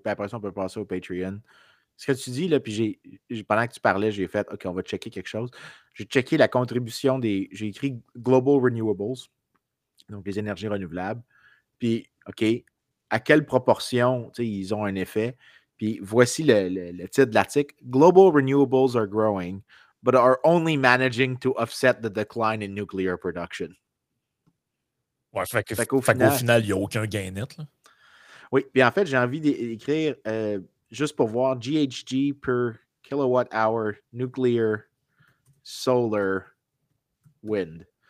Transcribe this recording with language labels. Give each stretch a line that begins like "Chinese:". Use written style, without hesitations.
French: Puis après ça, on peut passer au Patreon. Ce que tu dis, là, puis pendant que tu parlais, j'ai fait « OK, on va checker quelque chose. » J'ai checké la contribution des... J'ai écrit « Global Renewables », donc les énergies renouvelables. Puis, OK, à quelle proportion, tu sais, ils ont un effet. Puis voici le titre de l'article.
English: « Global Renewables are growing ». But are only managing to offset the decline in nuclear production.
French: Ouais, fait qu'au final, il n'y a aucun gain net. Là. Oui, puis en fait, j'ai envie d'écrire juste pour voir GHG per kilowatt hour nuclear solar wind.